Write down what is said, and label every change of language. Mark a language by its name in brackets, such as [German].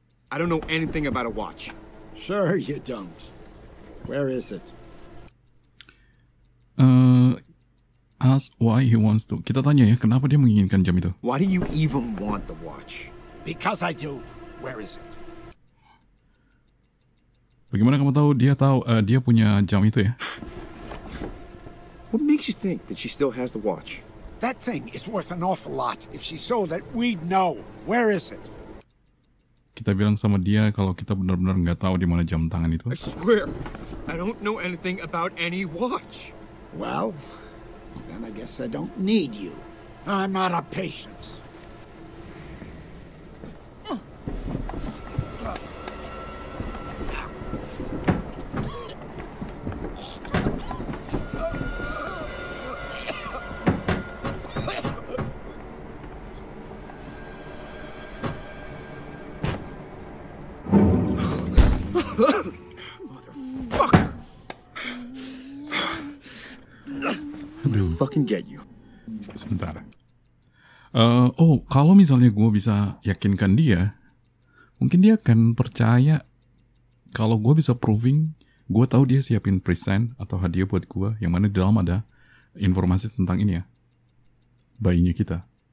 [English] I don't know anything about a watch. Sure you don't. Where is it? Ask why he wants to. [Indonesian] Kita tanya ya, kenapa dia menginginkan jam itu? [English] Why do you even want the watch? Because I do. Where is it? [Indonesian] Bagaimana kamu tahu, dia punya jam itu ya? [English] What makes you think that she still has the watch? That thing is worth an awful lot. If she sold it, we'd know. Where is it? [Indonesian] Kita bilang sama dia kalau kita benar-benar nggak tahu di mana jam tangan itu. [English] I swear, I don't know anything about any watch. Well, then I guess I don't need you. I'm out of patience. Oh, Motherfucker! I'm gonna fucking get you. [Indonesian] Sebentar. Oh, kalau misalnya gue bisa yakinkan dia, mungkin dia akan percaya. Kalau gue bisa proving, gue tahu dia siapin present atau hadiah buat gue, yang mana di dalam ada informasi tentang ini ya, bayinya kita.